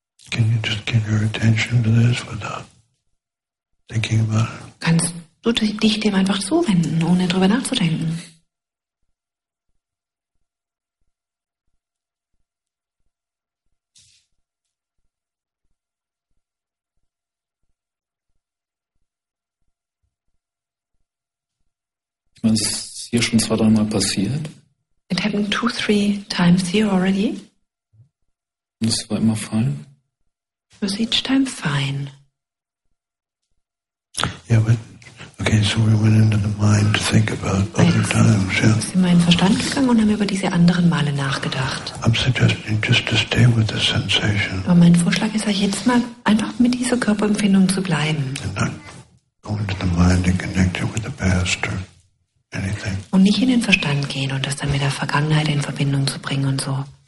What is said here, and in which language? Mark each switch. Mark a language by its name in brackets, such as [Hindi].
[English] Can you just give your attention to this without thinking about it? [German] Kannst du dich dem einfach zuwenden, ohne drüber nachzudenken? Das ist hier schon zwei, dreimal passiert. [English] It happened 2-3 times here already. [German] Und es war immer fein. [English] It was each time fine. Yeah, but okay, so we went into the mind to think about other times, yeah. [German] Sind wir in den Verstand gegangen und haben über diese anderen Male nachgedacht. [English] I'm suggesting just to stay with the sensation. [German] Aber mein Vorschlag ist euch jetzt mal einfach mit dieser Körperempfindung zu bleiben. [English] And not go into the mind and connect it with the past or anything. [German] Und nicht in den Verstand gehen und das dann mit der Vergangenheit in Verbindung zu bringen und so.